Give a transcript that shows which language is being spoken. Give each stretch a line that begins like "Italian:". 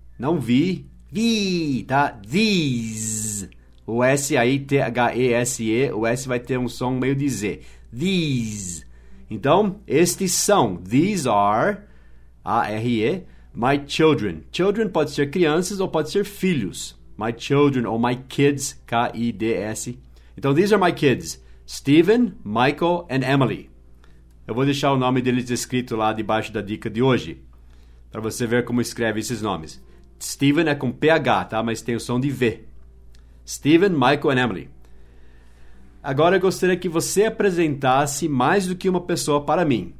Portuguese: Não vi, vi, tá? These. O S aí, T-H-E-S-E, o S vai ter um som meio de Z. These. Então, estes são,
English: these are, A-R-E, my children.
Portuguese: Children pode ser crianças ou pode ser filhos.
English: My children ou my kids, K-I-D-S. Então, these are my kids, Stephen, Michael and Emily.
Portuguese: Eu vou deixar o nome deles escrito lá debaixo da dica de hoje, para você ver como escreve esses nomes. Stephen é com P-H, tá? Mas tem o som de V. Stephen, Michael and Emily. Agora eu gostaria que você apresentasse mais do que uma pessoa para mim.